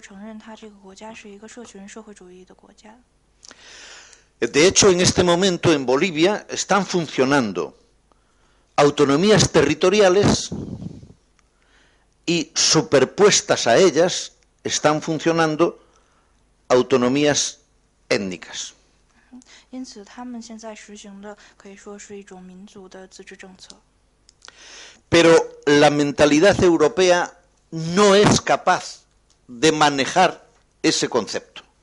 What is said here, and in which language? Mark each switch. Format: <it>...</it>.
<zh>因为玻利维亚它在2009年左右的时候曾经颁布过一个法律，就是说承认它这个国家是一个社群社会主义的国家。</zh> <es>De hecho, en este momento en Bolivia están funcionando autonomías territoriales y superpuestas a ellas están funcionando autonomías étnicas.</es> <zh>因此他们现在实行的可以说是一种民族的自治政策。</zh> <es>Pero la mentalidad europea no es capaz de manejar ese concepto.</es>